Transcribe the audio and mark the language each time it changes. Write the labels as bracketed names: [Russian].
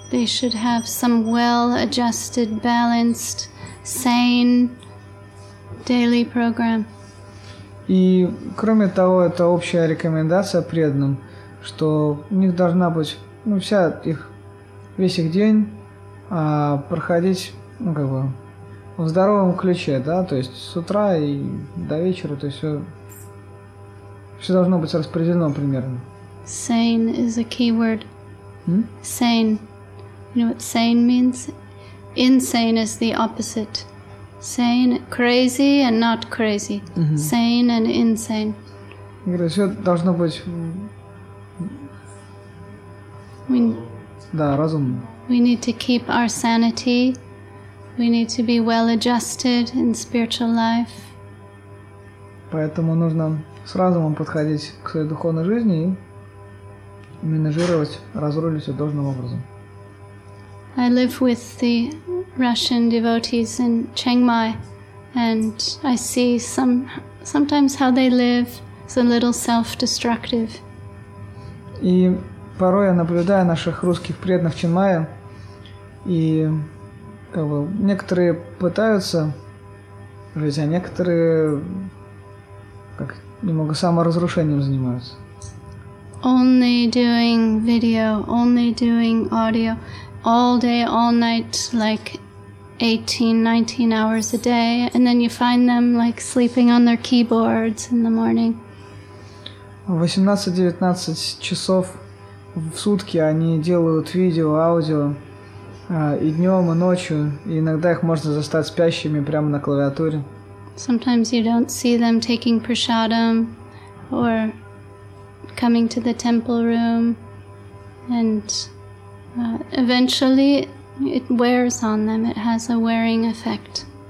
[English] They should have some well-adjusted, balanced, sane daily program. [Russian] И кроме того, это общая рекомендация преданным, что у них должна быть, ну, вся их, весь их день проходить, ну, как бы, в здоровом ключе, да, то есть с утра и до вечера, то есть все должно быть распределено примерно. [English] Sane is a key word. Sane. You know what sane means? Insane is the opposite. Sane, crazy and not crazy. Mm-hmm. Sane and insane. [Russian] Я говорю, все должно быть... Да, разумно. [English] We need to keep our sanity. We need to be well adjusted in spiritual life. [Russian] Поэтому нужно с разумом подходить к своей духовной жизни и менеджировать, разрулить все должным образом. [English] I live with the Russian devotees in Chiang Mai, and I see sometimes how they live is a little self-destructive. [Russian] И порой я наблюдаю наших русских преданных в Чиан Мае, и как бы, некоторые пытаются жить, а некоторые как немного саморазрушением занимаются. [English] Only doing video, only doing audio. All day, all night, like 18, 19 hours a day, and then you find them like sleeping on their keyboards in the morning. [Russian] 18-19 часов в сутки они делают видео, аудио, и днем, и ночью, и иногда их можно застать спящими прямо на клавиатуре. [English] Sometimes you don't see them taking prasadam or coming to the temple room, and eventually it wears on them, it has a wearing effect.